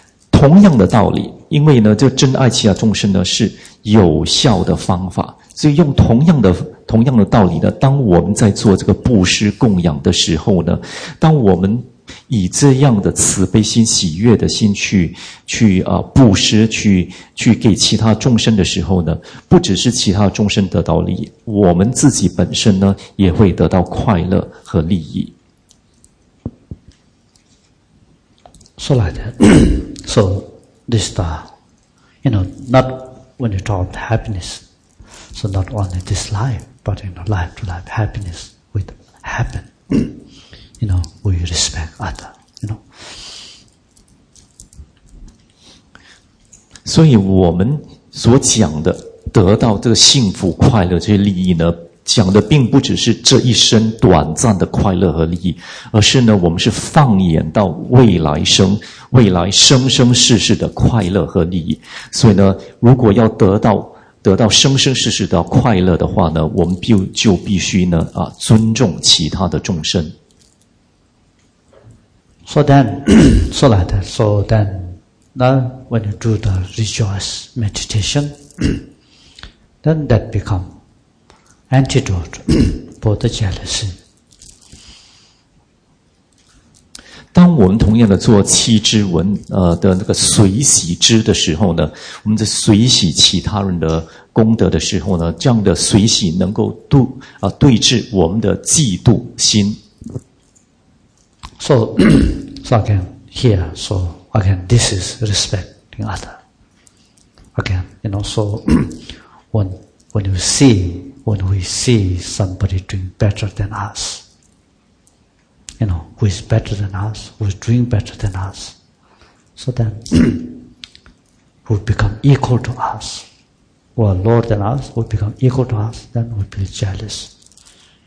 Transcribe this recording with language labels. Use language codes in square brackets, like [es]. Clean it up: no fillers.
[zh] 同样的道理，因为呢，就珍爱其他众生呢是有效的方法，所以用同样的道理呢，当我们在做这个布施供养的时候呢，当我们以这样的慈悲心、喜悦的心去布施，去给其他众生的时候呢，不只是其他众生得到利益，我们自己本身呢也会得到快乐和利益。 [en] So like that. So this the, you know, not when you talk about happiness, so not only this life, but in life to life, happiness would happen. You know, we respect other, you know. [zh] 所以我们所讲的得到这个幸福、快乐这些利益呢，讲的并不只是这一生短暂的快乐和利益，而是呢，我们是放眼到未来生、未来生生世世的快乐和利益。所以呢，如果要得到生生世世的快乐的话呢，我们就必须呢尊重其他的众生。 [en] So then, so like that. So then, now when you do the rejoice meditation, then that become. Antidote for the jealousy. [zh] 当我们同样的做七支文的那个随喜支的时候呢，我们在随喜其他人的功德的时候呢，这样的随喜能够对治我们的嫉妒心。 [en] So again, here, so again, this is respecting other. Again, you know, so when you see. When we see somebody doing better than us, you know, who is better than us, who is doing better than us, so then, who become equal to us, who are lower than us, who become equal to us, then we feel jealous.